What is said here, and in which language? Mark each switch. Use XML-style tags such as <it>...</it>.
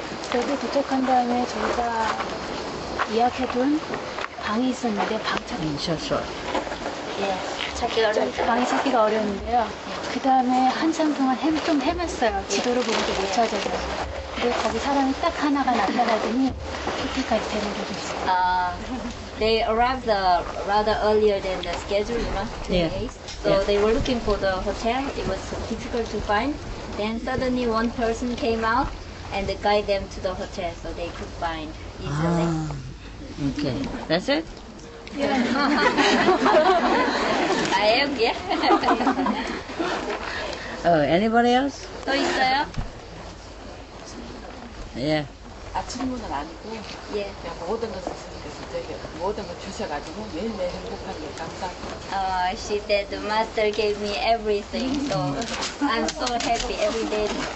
<ko>그래도 도착한 다음에 저희가 예약해둔 방이 있었는데 방찾기.</ko> <en>Yeah.</en> <ko>방이 찾기가 어려웠는데요. 그 다음에 한참 동안 좀 헤맸어요. 지도를 보고도 못 찾아서. 근데 거기 사람이 딱 하나가 나타나더니 그때까지 되는 거죠.</ko> <en>They arrived rather earlier than the schedule, you know, 2 days. So yeah. They were looking for the hotel. It was difficult to find. Then suddenly one person came out and guide them to the hotel so they could find easily. Ah, okay. That's it? Yeah. I am, yeah. Oh, anybody else?</en> <ko>또 있어요?</ko> <en>Yeah.</en> <ko>아침문은 아니고 예. 그냥 모든 것 있으니까 진짜 모든 걸 주셔가지고 매일매일 행복하게 감사합니다.</ko> <en>She said the master gave me everything, so I'm so happy every day.</en>